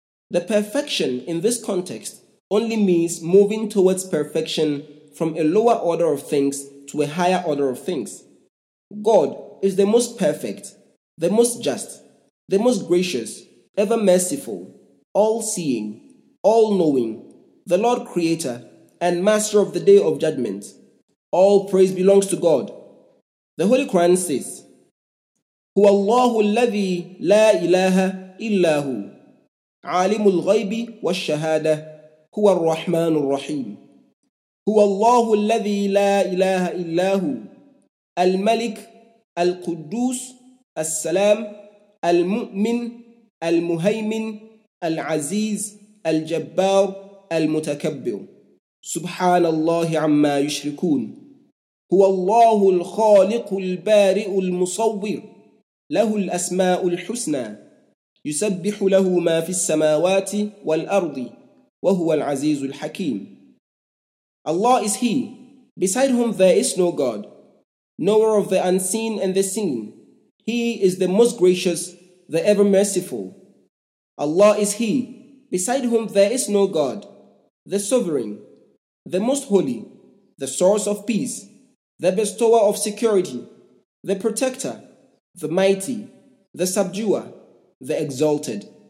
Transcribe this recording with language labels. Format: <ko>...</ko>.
<en>The perfection in this context only means moving towards perfection from a lower order of things to a higher order of things. God is the most perfect, the most just, the most gracious, ever merciful, all-seeing, all-knowing, the Lord Creator and Master of the Day of Judgment. All praise belongs to God. The Holy Quran says,</en> <ar>هو الله الذي لا إله إلا هو عالم الغيب والشهادة هو الرحمن الرحيم هو الله الذي لا إله إلا هو الملك القدوس السلام المؤمن المهيمن العزيز الجبار المتكبر سبحان الله عما يشركون هو الله الخالق البارئ المصور له الأسماء الحسنى يسبح له ما في السماوات والأرض وهو العزيز الحكيم.</ar> <en>Allah is He, beside whom there is no God, knower of the unseen and the seen. He is the most gracious, the ever merciful. Allah is He, beside whom there is no God, the sovereign. the most holy, the source of peace, the bestower of security, the protector, the mighty, the subduer, the exalted.</en>